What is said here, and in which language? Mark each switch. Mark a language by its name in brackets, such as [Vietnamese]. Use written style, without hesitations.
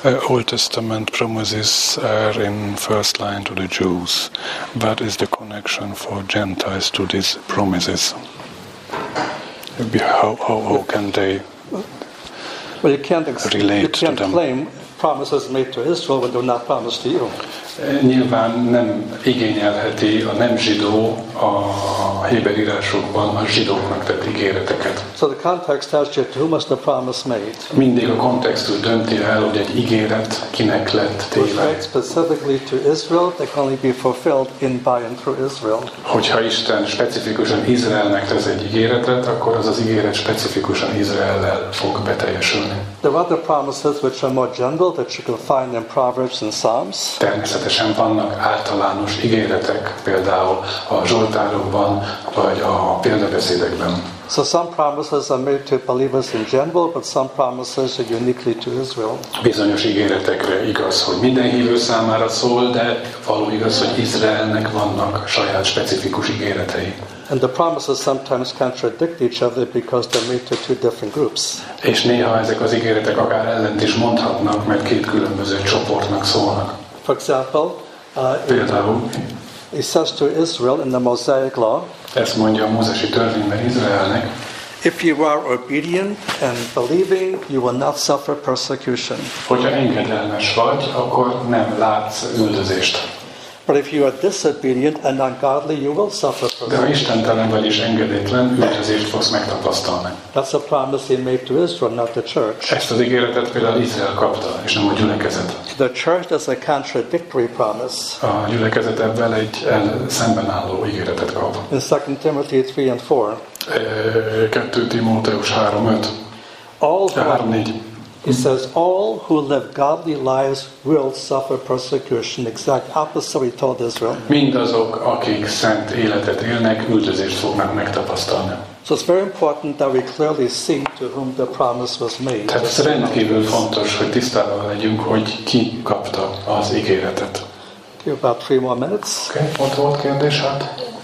[English] Old Testament promises are in first line to the Jews. What is the connection for Gentiles to these promises? How can they well, you can't relate you can't to claim them? Promises made to Israel when they were not promised to you. [Hungarian] Nyilván nem igényelheti a nem zsidó a héber írásokban a zsidóknak tett ígéreteket. [English] So the context tells you to whom was the promise made. [Hungarian] Mindig a kontextus dönti el, hogy egy ígéret kinek lett téve. [English] Specifically to Israel, they can only be fulfilled in by and through Israel. [Hungarian] Hogyha Isten specifikusan Izraelnek tesz egy ígéretet, akkor az az ígéret specifikusan Izraellel fog beteljesülni. [English] There are other promises which are more general that you can find in Proverbs and Psalms. [Hungarian] Természetesen vannak általános ígéretek, például a zsoltárokban vagy a példabeszédekben. [English] So some promises are made to believers in general, but some promises are uniquely to Israel. [Hungarian] Bizonyos ígéretekre igaz, hogy minden hívő számára szól, de való igaz, hogy Izraelnek vannak saját specifikus ígéretei. [English] And the promises sometimes contradict each other because they're made to two different groups. [Hungarian] És néha ezek az ígéretek akár ellent is mondhatnak, mert két különböző csoportnak szólnak. [English] For example, [Hungarian] például, [English] it says to Israel in the Mosaic Law, [Hungarian] ezt mondja a mózesi törvényben Izraelnek, [English] if you are obedient and believing, you will not suffer persecution. Hogyha engedelmes vagy, akkor nem látsz üldözést. But if you are disobedient and ungodly, you will suffer persecution. [Hungarian] De ha istentelen vagy és engedetlen, üldözést fogsz megtapasztalni. [English] That's a promise he made to Israel, not the church. [Hungarian] Ezt az ígéretet például Izrael kapta, és nem a gyülekezet. [English] The church is a contradictory promise. [Hungarian] A gyülekezet ebben egy szembenálló ígéretet kap. [English] In 2 Timothy 3 and 4. [Hungarian] 2 Timóteus 3-5. [English] He says, all who live godly lives will suffer persecution. Exact opposite he told Israel. [Hungarian] Mindazok, akik szent életet élnek, üldözést fognak megtapasztalni. So it's very important that we clearly see to whom the promise was made. Tehát ez rendkívül fontos, hogy tisztában legyünk, hogy ki kapta az ígéretet. [English] Give about 3 more minutes. [Hungarian] Okay, ott volt kérdés, hát?